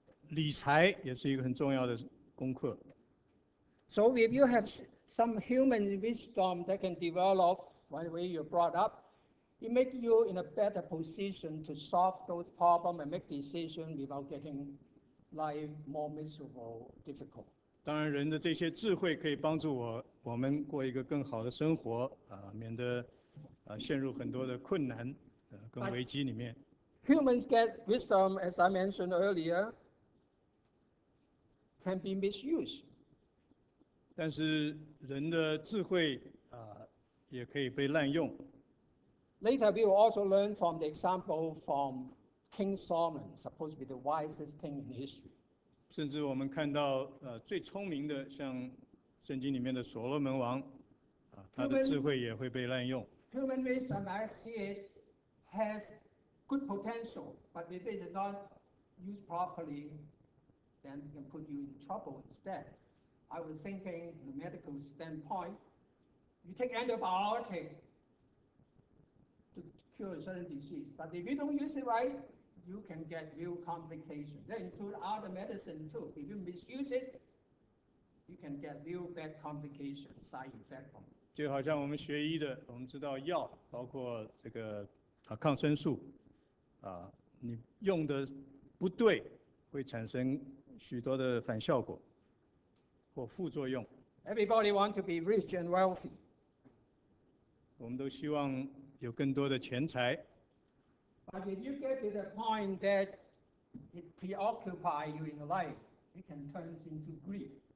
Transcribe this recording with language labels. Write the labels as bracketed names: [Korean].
[Chinese] 理财也是一个很重要的功课。 [English] So if you have some human wisdom that can develop by the way you're brought up, it makes you in a better position to solve those problems and make decisions without getting life more miserable, difficult. [Chinese] 当然，人的这些智慧可以帮助我们过一个更好的生活，免得陷入很多的困难，跟危机里面。 [English] Humans get wisdom, as I mentioned earlier, can be misused. [Chinese] 但是人的智慧也可以被滥用。 [English] Later, we will also learn from the example from King Solomon, supposed to be the wisest king in history. [Chinese] 甚至我们看到最聪明的像圣经里面的所罗门王他的智慧也会被滥用。 [English] Human wisdom, I see it, has good potential, but if it is not used properly, then it can put you in trouble instead. I was thinking from a medical standpoint, you take antibiotic to cure a certain disease, but if you don't use it right,you can get real complications. That includes other medicine too. If you misuse it, you can get real bad complications, side effects from it. [Chinese] 就好像我们学医的，我们知道药，包括这个抗生素，你用的不对，会产生许多的反效果或副作用。 [English] Everybody want to be rich and wealthy. [Chinese] 我们都希望有更多的钱财。 [English] But if you get to the point that it preoccupies you in life, it can turn into greed.